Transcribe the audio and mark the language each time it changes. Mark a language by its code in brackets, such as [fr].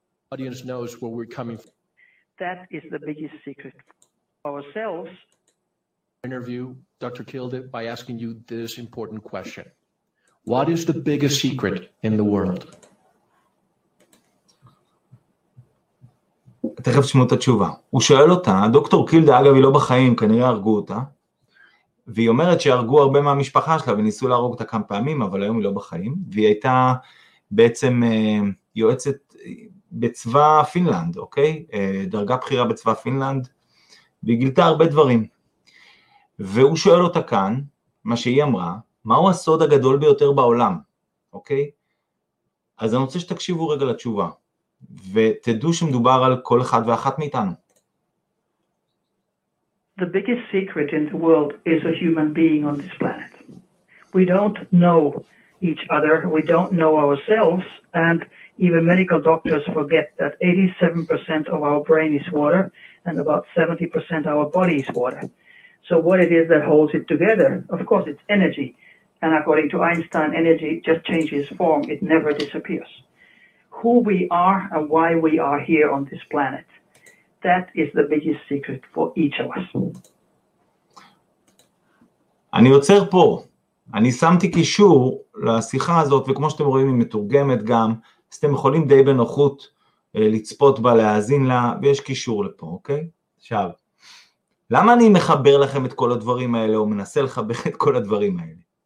[en] The audience knows where we're coming from. That is the biggest secret for ourselves. Interview Dr. Kilde by asking you this important question. What is the biggest secret in the world? [he] תכף תשמעו את התשובה. הוא שואל אותה, דוקטור קילדה, אגב, היא לא בחיים, כנראה הרגו אותה, והיא אומרת שהרגו הרבה מהמשפחה שלה, וניסו להרוג אותה כמה פעמים, אבל היום היא לא בחיים, והיא הייתה בעצם יועצת בצבא פינלנד, אוקיי? דרגה בכירה בצבא פינלנד, והיא גילתה הרבה דברים. והוא שואל אותה כאן, מה שהיא אמרה, מהו הסוד הגדול ביותר בעולם, אוקיי? אז אני רוצה שתקשיבו רגע לתשובה. ותדעו שמדובר על כל אחד ואחת מאיתנו. [en] The biggest secret in the world is a human being on this planet. We don't know each other, we don't know ourselves, and even medical doctors forget that 87% of our brain is water and about 70% of our body is water. So what it is that holds it together? Of course it's energy. And according to Einstein, energy just changes form, it never disappears. Who we are and why we are here on this planet. That is the biggest secret for each of us. [he] אני עוצר פה. אני שמתי קישור לשיחה הזאת, וכמו שאתם רואים, היא מתורגמת גם, אז אתם יכולים די בנוחות לצפות בה, להאזין לה, ויש קישור לפה, אוקיי? עכשיו, למה אני מחבר לכם את כל הדברים האלה, או מנסה לחבר את כל הדברים האלה?